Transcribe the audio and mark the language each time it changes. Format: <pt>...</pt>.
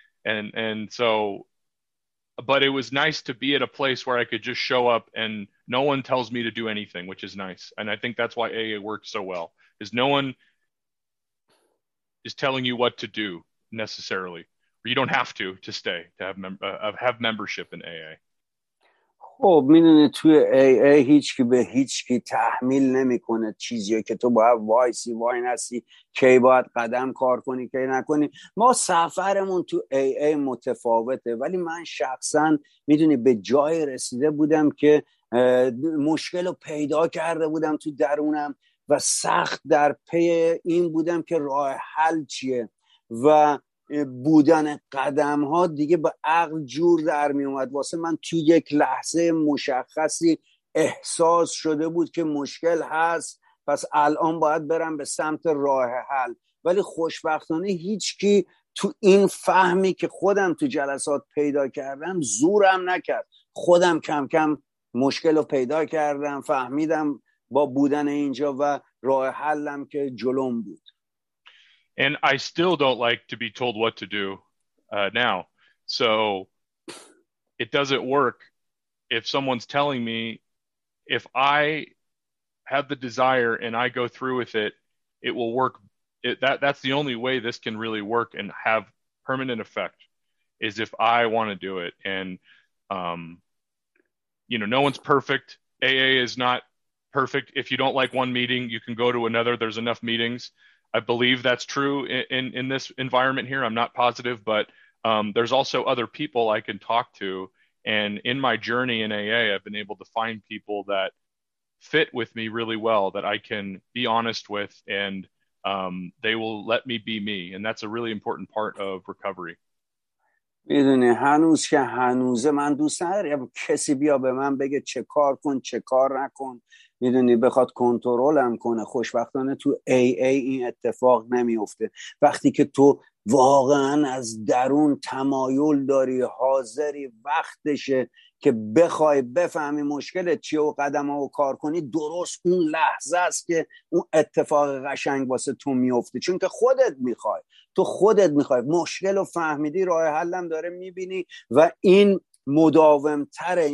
<en>And so, but it was nice to be at a place where I could just show up and no one tells me to do anything, which is nice. And I think that's why AA works so well, is no one is telling you what to do necessarily, or you don't have to stay, to have membership in AA.</en> <fa>خب میدونه توی AA هیچ کی به هیچ کی تحمیل نمی کنه چیزی که تو باید وایسی وای نسی کی باید قدم کار کنی کی نکنی. ما سفرمون تو AA متفاوته، ولی من شخصا میدونی به جای رسیده بودم که مشکل رو پیدا کرده بودم تو درونم و سخت در پی این بودم که راه حل چیه، و بودن قدم ها دیگه به عقل جور در می اومد. واسه من تو یک لحظه مشخصی احساس شده بود که مشکل هست، پس الان باید برم به سمت راه حل. ولی خوشبختانه هیچ کی تو این فهمی که خودم تو جلسات پیدا کردم زورم نکرد، خودم کم کم مشکل رو پیدا کردم، فهمیدم با بودن اینجا و راه حلم که جلوم بود.</fa> <en>And I still don't like to be told what to do now. So it doesn't work if someone's telling me, if I have the desire and I go through with it, it will work. That's the only way this can really work and have permanent effect, is if I want to do it. And, you know, no one's perfect. AA is not perfect. If you don't like one meeting, you can go to another. There's enough meetings. I believe that's true in this environment here. I'm not positive, but there's also other people I can talk to. And in my journey in AA, I've been able to find people that fit with me really well, that I can be honest with, and they will let me be me. And that's a really important part of recovery.</en> <fa>میدونی هنوز که هنوزه من دوست ندارم کسی بیا به من بگه چه کار کن چه کار نکن، میدونی بخواد کنترلم کنه. خوشبختانه تو AA این اتفاق نمیفته. وقتی که تو واقعا از درون تمایل داری، حاضری، وقتشه که بخوای بفهمی مشکلت چیه و قدم ها و کار کنی، درست اون لحظه است که اون اتفاق قشنگ واسه تو میفته، چون که خودت میخوای، تو خودت میخوای مشکل رو فهمیدی، راه حلم داره میبینی، و این مداومتره.</fa>